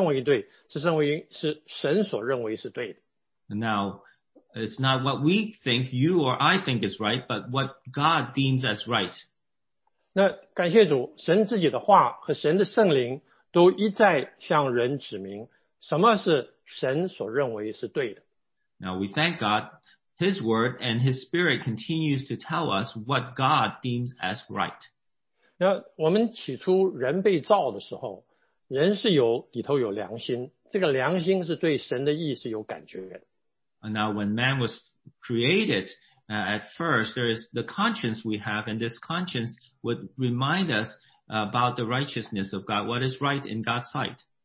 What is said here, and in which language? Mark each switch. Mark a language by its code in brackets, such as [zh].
[zh] 不是说你认为对的,不是说我认为对,是认为是神所认为是对的。 [en] Now, it's not what we think you or I think is right, but what God deems as right. [zh] 那感谢主,神自己的话和神的圣灵都一再向人指明。什么是神所认为是对的? [en] Now we thank God, His Word and His Spirit continues to tell us what God deems as right. [zh] 那我们起初人被造的时候，人是有里头有良心，这个良心是对神的意思有感觉。 [en] Now when man was created, at first there is the conscience we have, and this conscience would remind us about the righteousness of God, what is right in God's sight.